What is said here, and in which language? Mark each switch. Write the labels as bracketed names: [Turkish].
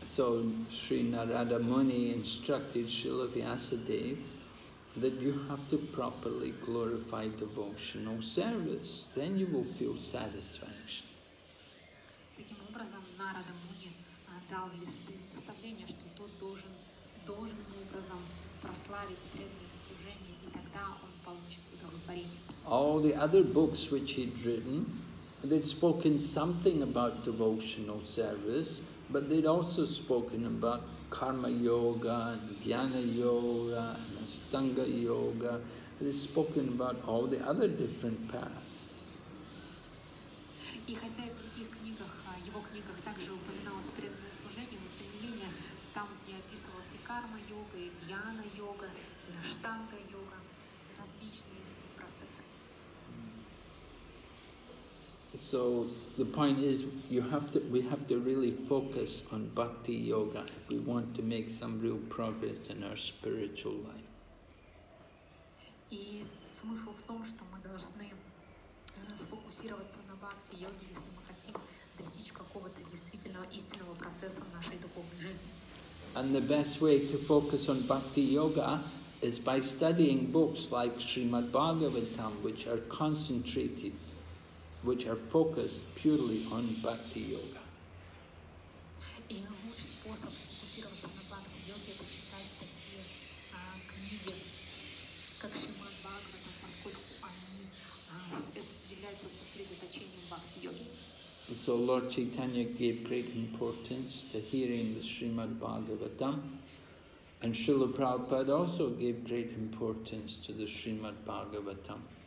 [English] So Sri Narada Muni instructed Srila Vyasadeva that you have to properly glorify devotional service, then you will feel satisfaction. [Russian] Таким образом, Нарада Муни дал Вьясадеве наставление, что тот должен должным образом прославить преданное служение, и тогда он получит удовлетворение. [English] All the other books which he'd written, they'd spoken something about devotional service, but they'd also spoken about karma yoga, jnana yoga, and astanga yoga. They'd spoken about all the other different paths. [Russian] И хотя и в других книгах, его книгах также упоминалось преданное служение, но тем не менее там и описывалась и карма-йога, и дьяна-йога, и аштанга-йога, различные процессы. [English] So the point is, we have to really focus on bhakti yoga if we want to make some real progress in our spiritual life. [Russian] И смысл в том, что мы должны сфокусироваться на бхакти йоге, если мы хотим достичь какого-то действительного истинного процесса в нашей духовной жизни. [English] And the best way to focus on bhakti yoga is by studying books like Srimad Bhagavatam, which are focused purely on bhakti yoga. [Russian] И лучший способ сфокусироваться на бхакти йоге — это читать такие книги, как Шримад Бхагаватам, поскольку они являются сосредоточением бхакти йоги. [English] So Lord Chaitanya gave great importance to hearing the Srimad Bhagavatam, and Srila Prabhupada also gave great importance to the Srimad Bhagavatam.